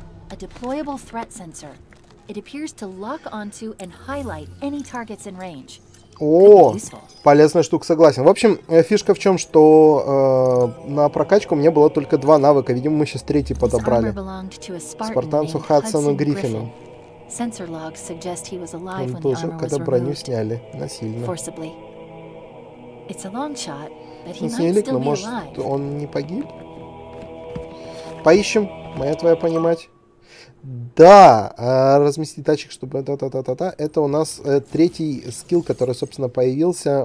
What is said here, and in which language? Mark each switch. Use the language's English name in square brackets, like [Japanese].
[English] A deployable threat sensor. It appears to lock onto and highlight any targets in range. [Russian] О, полезная штука, согласен. В общем, фишка в чем, что на прокачку у меня было только два навыка. Видимо, мы сейчас третий подобрали. Спартанцу Хадсону Гриффину. [English] Sensor logs suggest he was alive when the armor was removed. [Russian] Когда броню сняли насильно. [English] It's a long shot, but he might still be alive. [Russian] Может, он не погиб? Поищем, моя твоя понимать. Да, разместить датчик, чтобы та-та-та-та-та. Это у нас третий скилл, который, собственно, появился.